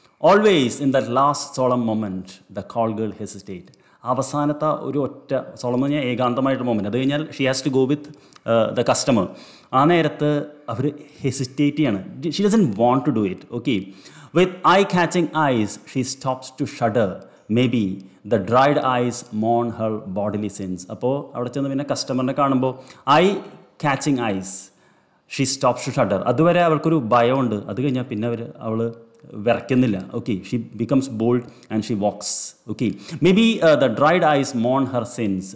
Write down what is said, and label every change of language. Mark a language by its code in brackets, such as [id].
[en] Always in the last solemn moment the call girl hesitate. [ml] അവസാനത്തെ ഒരു ഒറ്റ സോളം എന്ന് ഏകാന്തമായിട്ടുള്ള മൊമെൻറ്റ്, അത് കഴിഞ്ഞാൽ [en] She has to go with the customer. [ml] ആ നേരത്ത് അവർ [en] hesitate [ml] ചെയ്യാണ്. [en] She doesn't want to do it. Okay, with eye catching eyes she stops to shudder. Maybe the dried eyes mourn her bodily sins. [ml] അപ്പോൾ അവിടെ ചെന്ന് പിന്നെ കസ്റ്റമറിനെ കാണുമ്പോൾ [en] Eye catching eyes she stops to shudder. [ml] അതുവരെ അവൾക്കൊരു ഭയമുണ്ട്, അത് കഴിഞ്ഞാൽ പിന്നെ അവർ അവൾ വിറയ്ക്കുന്നില്ല. [en] Okay, she becomes bold and she wax. Okay, may be the dried ice Mon Har since.